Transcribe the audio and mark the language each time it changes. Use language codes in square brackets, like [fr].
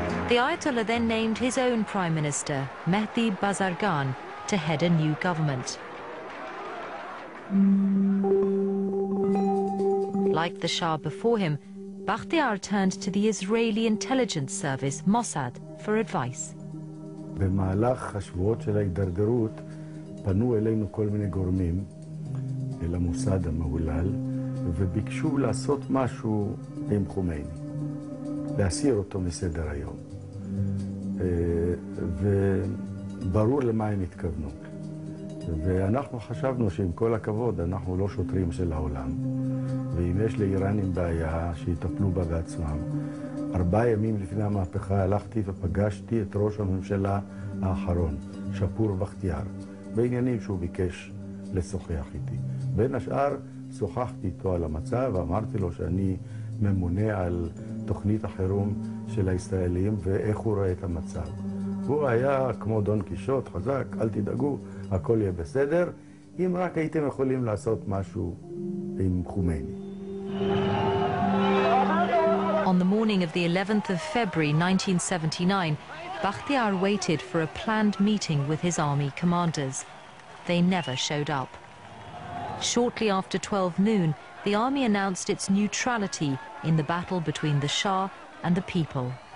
[en] The Ayatollah then named his own prime minister, Mehdi Bazargan, to head a new government. Like the Shah before him, Bakhtiar turned to the Israeli intelligence service, Mossad, for advice. [he] במהלך השבועות של ההידרדרות פנו אלינו כל מיני גורמים אל המוסד המהולל וביקשו לעשות משהו עם חומייני, להסיר אותו מסדר היום, וברור למה הם התכוונו. ואנחנו חשבנו שעם כל הכבוד אנחנו לא שוטרים של העולם, ואם יש לאיראנים בעיה שיטפלו בה בעצמם. 4 ימים לפני המהפכה הלכתי ופגשתי את ראש הממשלה האחרון, שפור בכתיאר, בעניינים שהוא ביקש לשוחח איתי. בין השאר שוחחתי איתו על המצב ואמרתי לו שאני ממונה על תוכנית החירום של הישראלים ואיך הוא ראה את המצב. הוא היה כמו דון קישוט, חזק, אל תדאגו, הכל יהיה בסדר, אם רק הייתם יכולים לעשות משהו עם חומייני. [en] On the morning of the 11th of February 1979, Bakhtiar waited for a planned meeting with his army commanders. They never showed up. Shortly after 12 noon, the army announced its neutrality in the battle between the Shah and the people.